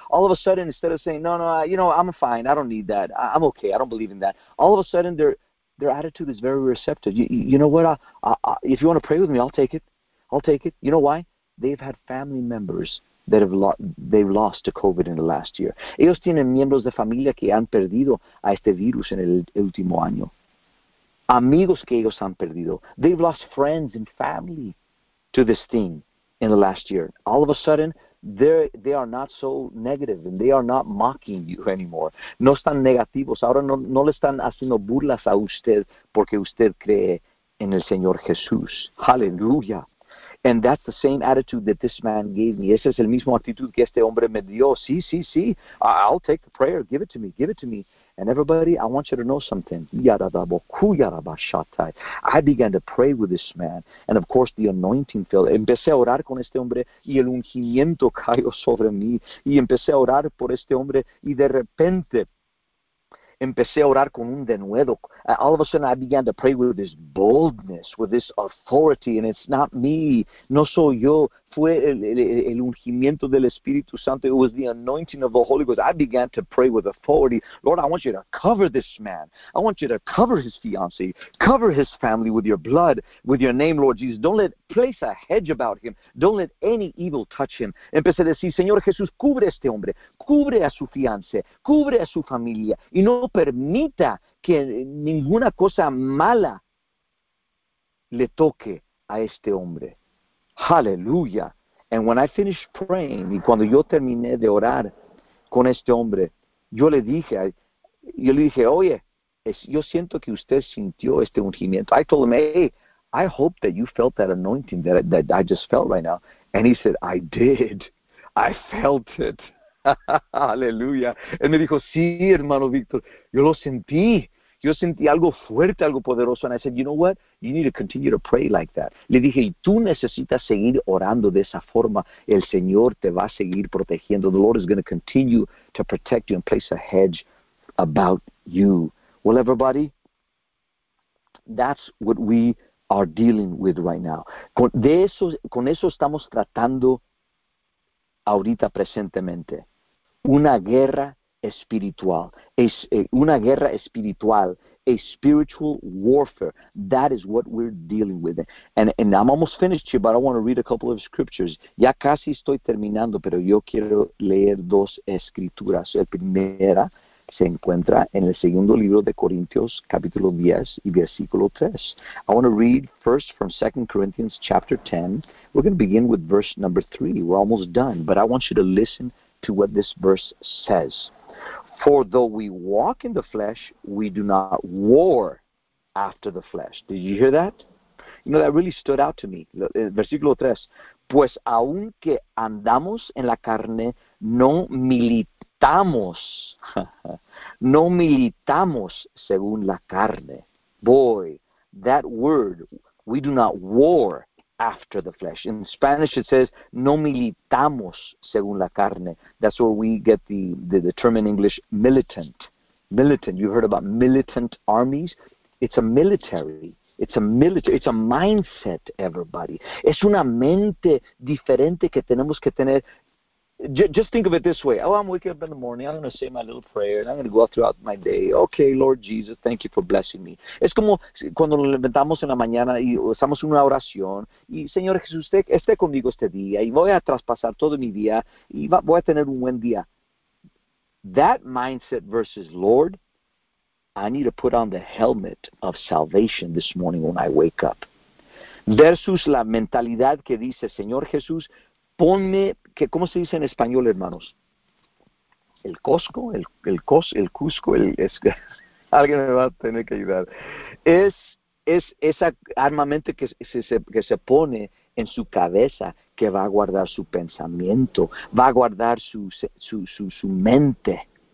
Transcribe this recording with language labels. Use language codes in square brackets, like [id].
[en] All of a sudden, instead of saying, no, I'm fine, I don't need that, I'm okay, I don't believe in that, all of a sudden their attitude is very receptive. You know what? I, if you want to pray with me, I'll take it. You know why? They've had family members that they've lost to COVID in the last year. [es] Ellos tienen miembros de familia que han perdido a este virus en el último año. Amigos que ellos han perdido. [en] They've lost friends and family to this thing in the last year. All of a sudden, they are not so negative, and they are not mocking you anymore. [es] No están negativos. Ahora no le están haciendo burlas a usted porque usted cree en el Señor Jesús. [en] Hallelujah. And that's the same attitude that this man gave me. [es] Esa es el mismo actitud que este hombre me dio. Sí, sí, sí. [en] I'll take the prayer. Give it to me. Give it to me. And everybody, I want you to know something. I began to pray with this man. And of course, the anointing fell. [es] Empecé a orar con este hombre y el ungimiento cayó sobre mí. Y empecé a orar por este hombre y de repente empecé a orar con un denuedo. [en] All of a sudden, I began to pray with this boldness, with this authority, and it's not me. [es] No soy yo. Fue el ungimiento del Espíritu Santo. [en] It was the anointing of the Holy Ghost. I began to pray with authority. Lord, I want you to cover this man. I want you to cover his fiancée. Cover his family with your blood, with your name, Lord Jesus. Don't let place a hedge about him. Don't let any evil touch him. [es] Empecé a decir, Señor Jesús, cubre a este hombre. Cubre a su fiancée. Cubre a su familia. Y no permita que ninguna cosa mala le toque a este hombre. Hallelujah. [en] And when I finished praying, [es] y cuando yo terminé de orar con este hombre, yo le dije, oye, yo siento que usted sintió este ungimiento. [en] I told him, hey, I hope that you felt that anointing that I just felt right now. And he said, I did. I felt it. Hallelujah. [es] Él me dijo, sí, hermano Víctor, yo lo sentí. Yo sentí algo fuerte, algo poderoso. [en] And I said, you know what? You need to continue to pray like that. [es] Le dije, y tú necesitas seguir orando de esa forma. El Señor te va a seguir protegiendo. [en] The Lord is going to continue to protect you and place a hedge about you. Well, everybody, that's what we are dealing with right now. [es] Con eso estamos tratando ahorita presentemente. Una guerra espiritual. Es una guerra espiritual. [en] A spiritual warfare. That is what we're dealing with. And I'm almost finished here, but I want to read a couple of scriptures. [es] Ya casi estoy terminando, pero yo quiero leer dos escrituras. La primera se encuentra en el segundo libro de Corintios, capítulo 10 y versículo 3. [en] I want to read first from 2 Corinthians chapter 10. We're going to begin with verse number 3. We're almost done, but I want you to listen to what this verse says. For though we walk in the flesh, we do not war after the flesh. Did you hear that? You know, that really stood out to me. [es] Versículo 3. Pues aunque andamos en la carne, no militamos. No militamos según la carne. [en] Boy, that word, we do not war after the flesh. In Spanish it says, [es] no militamos según la carne. [en] That's where we get the term in English, militant. Militant. You heard about militant armies? It's a military. It's a military. It's a mindset, everybody. [es] Es una mente diferente que tenemos que tener. [en] Just think of it this way. Oh, I'm waking up in the morning. I'm going to say my little prayer, and I'm going to go out throughout my day. Okay, Lord Jesus, thank you for blessing me. [es] Es como cuando nos levantamos en la mañana y estamos en una oración. Y Señor Jesús, usted esté conmigo este día, y voy a traspasar todo mi día, y voy a tener un buen día. [en] That mindset versus Lord, I need to put on the helmet of salvation this morning when I wake up. [es] Versus la mentalidad que dice, Señor Jesús, ponme, que, ¿cómo se dice en español, hermanos? ¿El Cosco? ¿El Cusco? Alguien me va a tener que ayudar. Es esa armamento que se pone en su cabeza, que va a guardar su pensamiento, va a guardar su mente.